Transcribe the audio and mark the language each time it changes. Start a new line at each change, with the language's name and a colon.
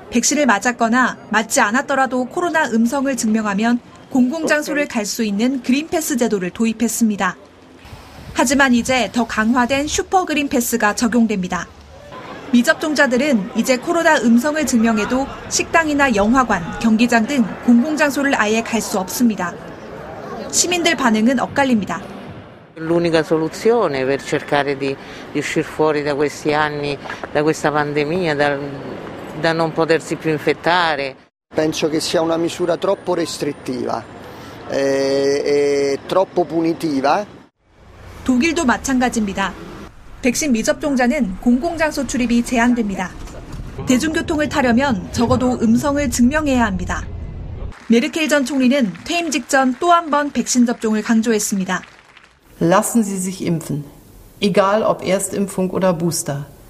Korean: 백신을 맞았거나 맞지 않았더라도 코로나 음성을 증명하면 공공장소를 갈 수 있는 그린패스 제도를 도입했습니다. 하지만 이제 더 강화된 슈퍼그린패스가 적용됩니다. 미접종자들은 이제 코로나 음성을 증명해도 식당이나 영화관, 경기장 등 공공장소를 아예 갈 수 없습니다. 시민들 반응은 엇갈립니다.
Italian: L'unica soluzione per cercare di uscire fuori da questi anni, da questa pandemia, da non potersi più infettare. Penso che sia una misura troppo restrittiva e troppo punitiva.
Korean: 독일도 마찬가지입니다. 백신 미접종자는 공공장소 출입이 제한됩니다. 대중교통을 타려면 적어도 음성을 증명해야 합니다. 메르켈 전 총리는 퇴임 직전 또 한 번 백신 접종을 강조했습니다.
German: Lassen Sie sich impfen. Egal ob Erstimpfung oder Booster.